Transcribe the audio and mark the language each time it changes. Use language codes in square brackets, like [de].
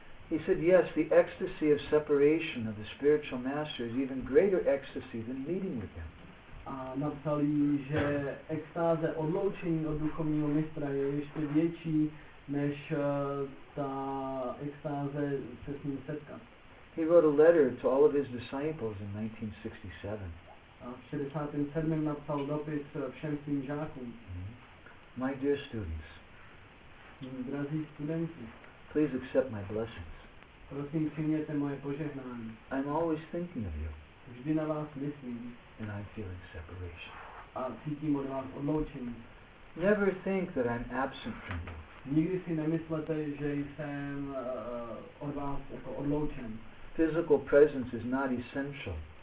[en] He said, yes, the ecstasy of separation of the spiritual master is even greater ecstasy than meeting with him. [cs] A napsal jí, že extáze odloučení od duchovního mistra je ještě větší, než ta extáze se s ním setkat. [en] He wrote a letter to all of his disciples in 1967. [cs] A v 67. napsal dopis všem svým žákům. Mm-hmm. [en] My dear students. [cs] Drazí studenti. [en] Please accept my blessings. [cs] Prosím, přijměte moje požehnání. [en] I'm always thinking of you. [cs] Vždy na vás myslím. [en] And I'm feeling separation. [cs] A cítím od vás odloučení. [en] Never think that I'm absent from you. [cs] Nikdy si nemyslete, že jsem od vás jako odloučen. [en] Physical presence is not essential.